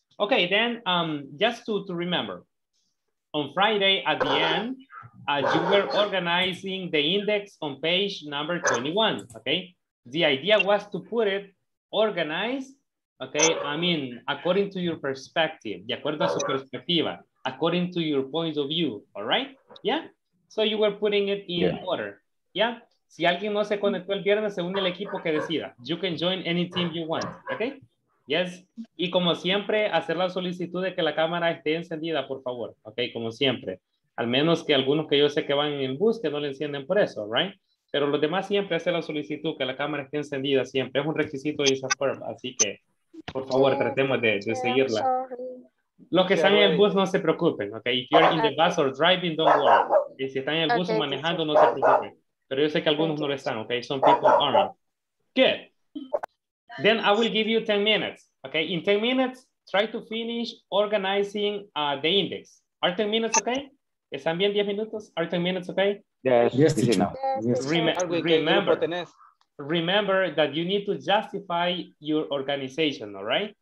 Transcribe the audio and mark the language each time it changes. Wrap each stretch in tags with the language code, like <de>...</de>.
<en>Okay, then just to remember, on Friday at the end, you were organizing the index on page number 21, okay? The idea was to put it organized. Okay, I mean, according to your perspective,</en> <es>de acuerdo a su perspectiva,</es> <en>according to your point of view, all right? Yeah? So you were putting it in order, yeah?</en> <es>Si alguien no se conectó el viernes, se une el equipo que decida.</es> <en>You can join any team you want, okay? Yes?</en> <es>Y como siempre, hacer la solicitud de que la cámara esté encendida, por favor, okay? Como siempre. Al menos que algunos que yo sé que van en bus, que no le encienden por eso, right? Pero los demás siempre hacen la solicitud que la cámara esté encendida siempre. Es un requisito de INSAFORP, así que por favor, tratemos de seguirla. Los que están en el bus, no se preocupen, ¿ok?</es> <en>If you're in the bus or driving, don't worry.</en> <es>Y si están en el bus manejando, no se preocupen. Pero yo sé que algunos no lo están, ¿ok?</es> <en>Some people aren't. Good. Then I will give you 10 minutes, ¿ok? In 10 minutes, try to finish organizing the index. Are 10 minutes, ¿ok?</en> <es>¿Están bien 10 minutos?</es> <en>Are 10 minutes, ¿ok? Yes, yes, remember that you need to justify your organization, all right?</en>